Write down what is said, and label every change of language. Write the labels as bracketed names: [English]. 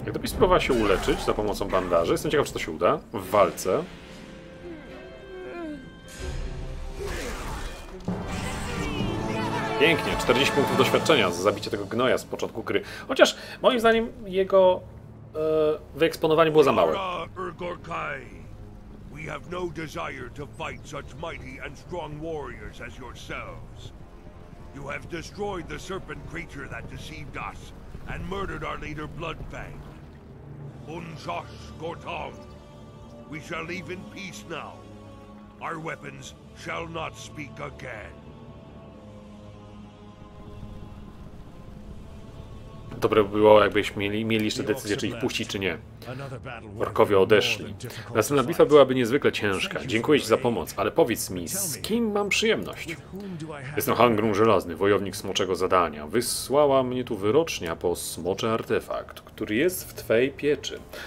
[Polish] Próbowała się uleczyć za pomocą bandaży. Jestem ciekaw, czy to się uda w walce. Pięknie, 40 punktów doświadczenia za zabicie tego gnoja z początku gry. Chociaż moim zdaniem jego wyeksponowanie było za małe. [English] Ergorkai, we have no desire to fight such mighty and strong warriors as yourselves. You have destroyed the serpent creature that deceived us and murdered our leader Bloodfang. Unjos Gortav, we shall leave in peace now. Our weapons shall not speak again. [Polish] Dobre by było, jakbyśmy mieli jeszcze decyzję, czy ich puścić, czy nie. Orkowie odeszli. Następna bitwa byłaby niezwykle ciężka. Dziękuję ci za pomoc, ale powiedz mi, z kim mam przyjemność? Jestem Hangrun Żelazny, wojownik smoczego zadania. Wysłała mnie tu wyrocznia po smoczy artefakt, który jest w twojej pieczy.